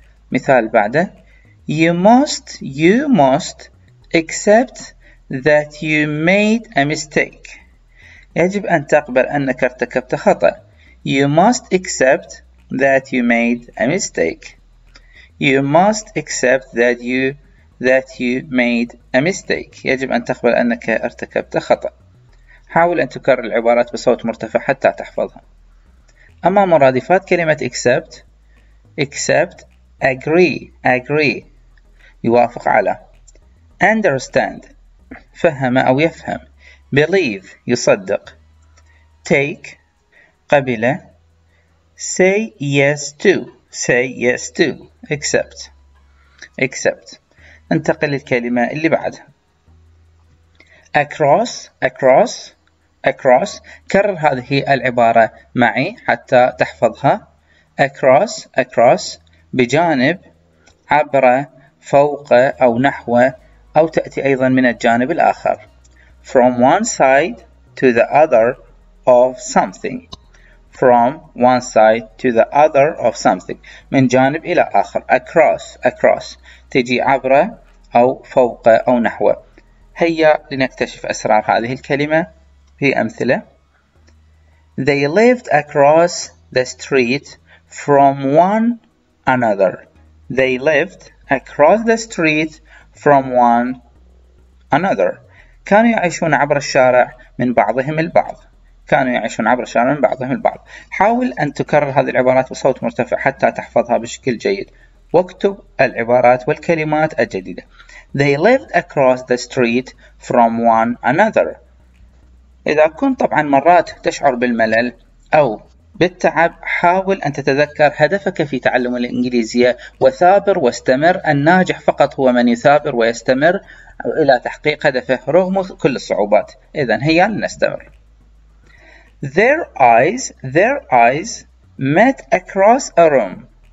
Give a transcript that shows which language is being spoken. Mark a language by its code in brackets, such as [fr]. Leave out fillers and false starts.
[ar] مثال بعده: [en] You must accept that you made a mistake. [ar] يجب أن تقبل أنك ارتكبت خطأ. [en] You must accept that you made a mistake. You must accept that you made a mistake. [ar] يجب أن تقبل أنك ارتكبت خطأ. حاول أن تكرر العبارات بصوت مرتفع حتى تحفظها. أما مرادفات كلمة accept: accept، agree يوافق على، understand فهم أو يفهم، believe يصدق، take قبل، say yes to accept. انتقل للكلمة اللي بعدها: across. كرر هذه العبارة معي حتى تحفظها. across بجانب، عبر، فوق أو نحو، أو تأتي أيضا من الجانب الآخر. [en] From one side to the other of something. From one side to the other of something. [ar] من جانب إلى آخر. Across. تجي عبر أو فوق أو نحو. هيا لنكتشف أسرار هذه الكلمة في أمثلة. [en] They lived across the street from one another. They lived across the street from one another. [ar] كانوا يعيشون عبر الشارع من بعضهم البعض. كانوا يعيشون عبر الشارع من بعضهم البعض. حاول أن تكرر هذه العبارات بصوت مرتفع حتى تحفظها بشكل جيد، واكتب العبارات والكلمات الجديدة. [en] They lived across the street from one another. [ar] إذا كنت طبعا مرات تشعر بالملل أو بالتعب، حاول أن تتذكر هدفك في تعلم الإنجليزية وثابر واستمر. الناجح فقط هو من يثابر ويستمر إلى تحقيق هدفه رغم كل الصعوبات. إذن هيا لنستمر. [en] Their eyes met across a room.